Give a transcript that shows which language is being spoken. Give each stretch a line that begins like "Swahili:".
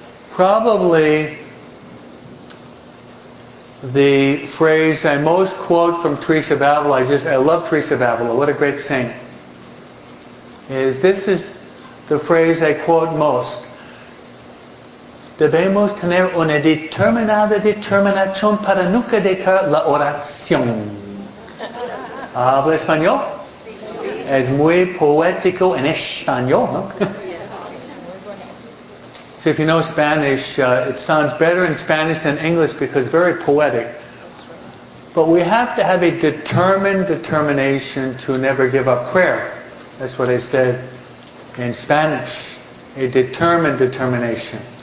English: Probably the phrase I most quote from Teresa of Avila, I love Teresa of Avila, what a great saint, is this is the phrase I quote most.
Spanish: Debemos tener una determinada determinación para nunca dejar la oración. ¿Habla español? Es muy poético en español, ¿no?
English: So if you know Spanish, it sounds better in Spanish than English because it's very poetic. But we have to have a determination to never give up prayer. That's what I said in Spanish. A determined determination.